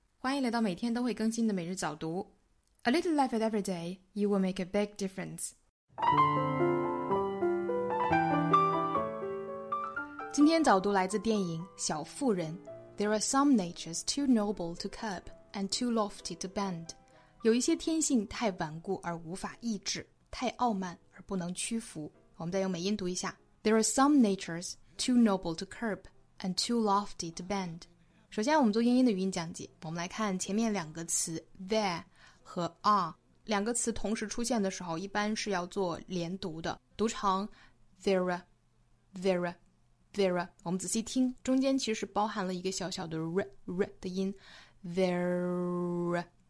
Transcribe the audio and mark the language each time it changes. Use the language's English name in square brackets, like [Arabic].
[Chinese] 欢迎来到每天都会更新的每日早读。 [English] A little life every day, you will make a big difference. [Chinese] 今天早读来自电影《小妇人》。 [English] There are some natures too noble to curb and too lofty to bend. [Chinese] 有一些天性太顽固而无法抑制，太傲慢而不能屈服。我们再用美音读一下。 [English] There are some natures too noble to curb and too lofty to bend. [Chinese] 首先我们做英音的语音讲解，我们来看前面两个词 there 和 are， 两个词同时出现的时候一般是要做连读的，读成 [English] there there there， [Chinese] 我们仔细听，中间其实包含了一个小小的 r r 的音 there